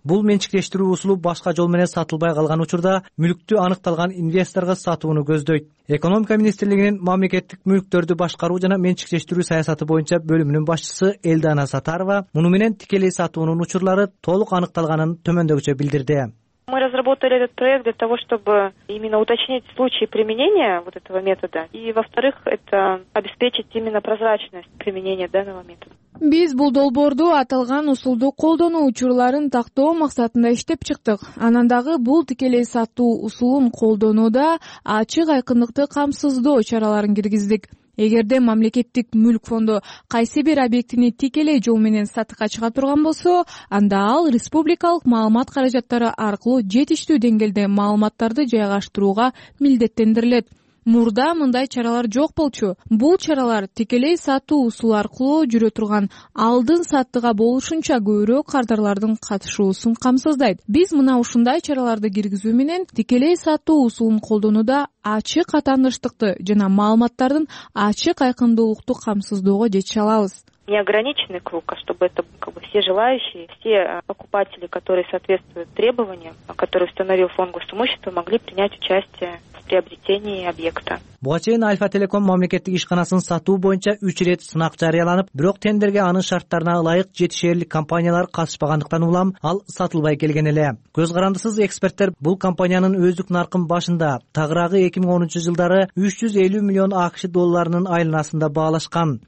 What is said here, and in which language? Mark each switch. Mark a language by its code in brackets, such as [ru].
[ky] Бул менчиктештирүү усулу башка жол менен сатылбай калган учурда мүлктү аныкталган инвесторго сатууну көздөйт. Экономика министрлигинин мамлекеттик мүлктөрдү башкаруу жана менчиктештирүү саясаты боюнча бөлүмүнүн башчысы Элдана Сатарова муну менен тикелей сатуунун учурлары толук аныкталганын төмөндөгүчө билдирди. [ru] Мы разработали этот проект для того, чтобы именно уточнить случаи применения вот этого метода. И, во-вторых, это обеспечить именно прозрачность применения данного метода. [ky] Биз бул долбоорду аталган усулду колдонуу учурларын тактоо максатында иштеп чыктык. Анан дагы бул тикелей сатуу усулун колдонууда ачык айкындыкты камсыздоо чараларын киргиздик. Эгерде мамлекеттик мүлк фонду кайсы бир объектини тикелей жол менен сатыкка чыга турган болсо, анда ал республикалык маалымат каражаттары аркылуу жетиштүү деңгээлде маалыматтарды жайгаштырууга милдеттендирилет. Мурда мындай чаралар жок болчу. Бул чаралар тикелей сатуу усулу аркылуу жүрө турган алдын саттыга болушунча көбүрөөк кардарлардын катышуусун камсыздайт. Биз мына ушундай чараларды киргизүү менен тикелей сатуу усулун колдонууда ачык атаандаштыкты жана маалыматтардын ачык айкындуулукту камсыздоого жетише алабыз. [ru] Не ограниченный круг, а чтобы это все желающие, все покупатели, которые соответствуют требованиям, которые установил фонд госимущества, могли принять участие в приобретении объекта. [ky] Буга чейин Альфа Телеком мамлекеттик ишканасын сатуу боюнча 3 ирет сынак жарыяланып, бирок тендерге анын шарттарына ылайык жетишерлик компаниялар катышпагандыктан улам ал сатылбай келген эле. Көз карандысыз эксперттер бул компаниянын өздүк наркын башында тагыраагы 2010 жылдары 350 миллион АКШ долларынын айланасында баалашкан.